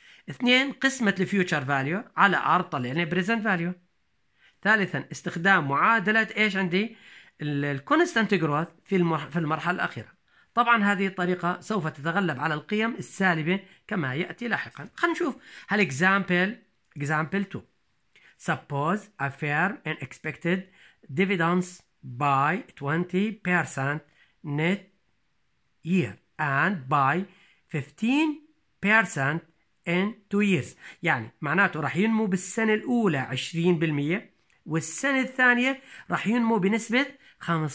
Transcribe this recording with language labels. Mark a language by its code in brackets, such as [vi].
[ar] اثنين قسمة الفيوتشر فاليو على R طلع يعني بريزنت فاليو. ثالثا استخدام معادلة إيش عندي الكونستانت جروث في المرحلة الأخيرة. طبعا هذه الطريقة سوف تتغلب على القيم السالبة كما يأتي لاحقا. خلينا نشوف هالإكزامبل 2. [en] Suppose a firm and expected dividends by 20% net year and by 15% in 2 years. [ar] يعني معناته رح ينمو بالسنة الأولى 20% والسنة الثانية رح ينمو بنسبة 15%.